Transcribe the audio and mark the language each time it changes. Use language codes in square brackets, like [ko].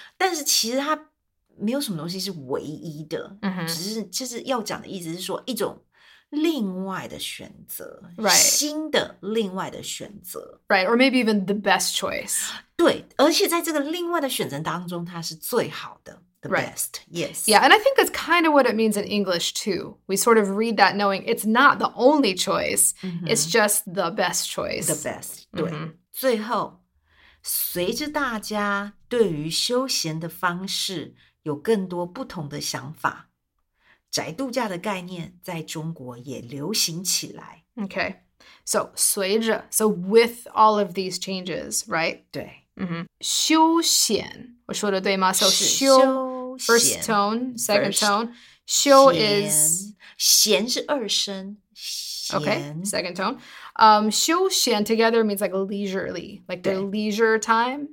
[zh] 但是其实它没有什么东西是唯一的， mm-hmm. 只是就是要讲的意思是说一种另外的选择 [en] ，right？ [zh] 新的另外的选择 [en] ，right？ Or maybe even the best choice， [zh] 对，而且在这个另外的选择当中，它是最好的。 [en] The best, right. Yes. Yeah, and I think that's kind of what it means in English, too. We sort of read that knowing it's not the only choice,、 mm-hmm. it's just the best choice. The best,、mm-hmm. 对。 [zh] 最后，随着大家对于休闲的方式有更多不同的想法，宅度假的概念在中国也流行起来。 [en] Okay, so 随着 so with all of these changes, right? [zh] 对。 Mm-hmm. 休闲我说的对吗 so 休 [en] first tone second first, tone 休is [zh] 闲是二声 [en] okay second tone 休闲 together means like leisurely like the leisure time、